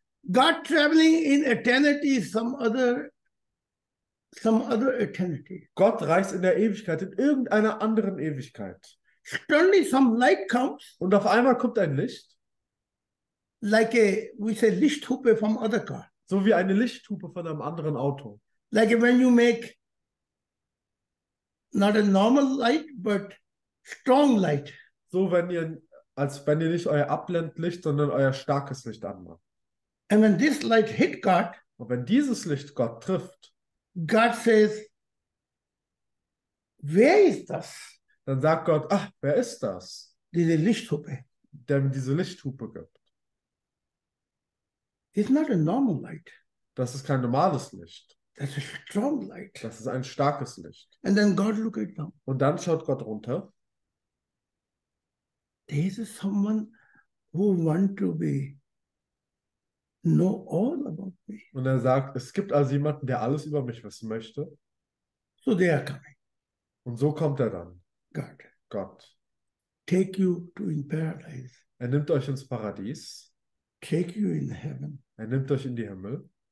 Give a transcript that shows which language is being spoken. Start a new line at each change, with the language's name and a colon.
English: God traveling in eternity, some other eternity.
German: Gott reist in der Ewigkeit, in irgendeiner anderen Ewigkeit.
English: Suddenly some light comes.
German: Und auf einmal kommt ein Licht.
English: Like a, we say, Lichthupe from other car.
German: So wie eine Lichthupe von einem anderen Auto.
English: Like when you make not a normal light, but strong light.
German: So wenn ihr, als wenn ihr nicht euer Abblendlicht, sondern euer starkes Licht anmacht.
English: And when this light hit God,
German: und wenn dieses Licht Gott trifft,
English: God says,
German: wer ist das? Dann sagt Gott, ach, wer ist das? Diese Lichthupe. Der mir diese Lichthupe gibt.
English: It's not a normal light.
German: Das ist kein normales Licht.
English: That's a strong light.
German: Das ist ein starkes Licht.
English: And then God look at them.
German: Und dann schaut Gott runter.
English: This is someone who want to be know all about me.
German: Und er sagt, es gibt also jemanden, der alles über mich wissen möchte.
English: So they are coming.
German: Und so kommt er dann.
English: God.
German: Gott.
English: Take you to in paradise.
German: Er nimmt euch ins Paradies.
English: Take you in heaven.
German: Er nimmt euch in die Himmel.